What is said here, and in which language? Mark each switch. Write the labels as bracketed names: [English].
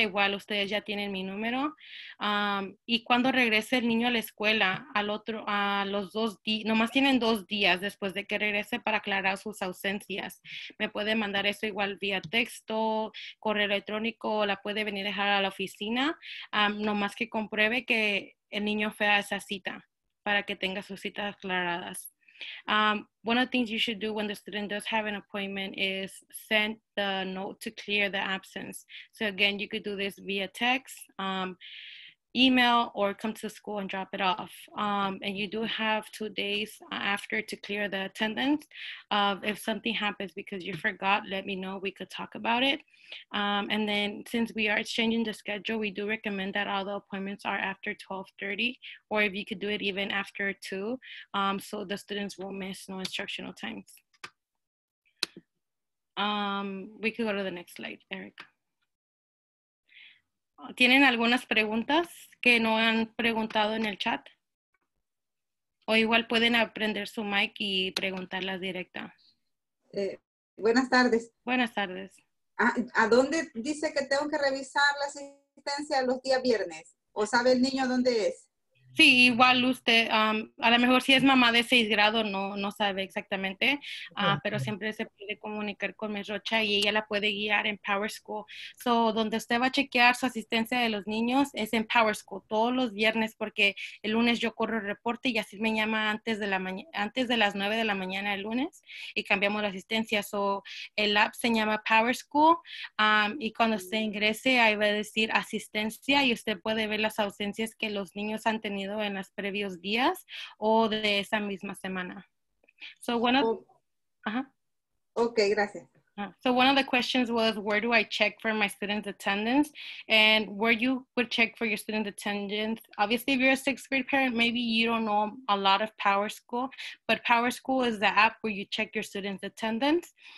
[Spanish] Igual ustedes ya tienen mi número. Y cuando regrese el niño a la escuela, al otro, a los dos días, nomás tienen 2 días después de que regrese para aclarar sus ausencias. Me puede mandar eso igual vía texto, correo electrónico, o la puede venir a dejar a la oficina, nomás que compruebe que el niño fue a esa cita para que tenga sus citas aclaradas. [English] One of the things you should do when the student does have an appointment is send the note to clear the absence. So again, you could do this via text, email, or come to school and drop it off. And you do have 2 days after to clear the attendance. If something happens because you forgot, let me know. We could talk about it. And then since we are changing the schedule, we do recommend that all the appointments are after 12:30, or if you could do it even after 2, so the students won't miss no instructional times. We could go to the next slide, Eric. [Spanish] ¿Tienen algunas preguntas que no han preguntado en el chat? O igual pueden aprender su mic y preguntarlas directa. Buenas tardes. Buenas tardes. ¿A dónde dice que tengo que revisar la asistencia los días viernes? ¿O sabe el niño dónde es? Sí, igual usted, a lo mejor si es mamá de 6 grado, no sabe exactamente, pero siempre se puede comunicar con Ms. Rocha y ella la puede guiar en Power School. So, donde usted va a chequear su asistencia de los niños es en Power School, todos los viernes, porque el lunes yo corro el reporte y así me llama antes de las 9 de la mañana el lunes y cambiamos la asistencia. So, el app se llama Power School y cuando usted ingrese ahí va a decir asistencia y usted puede ver las ausencias que los niños han tenido en los previos días o de esa misma semana. [English] So one of, [Spanish] okay, gracias. [English] So one of the questions was, where do I check for my student's attendance? And where you would check for your student's attendance, obviously if you're a 6th grade parent, maybe you don't know a lot of Power School, but Power School is the app where you check your student's attendance.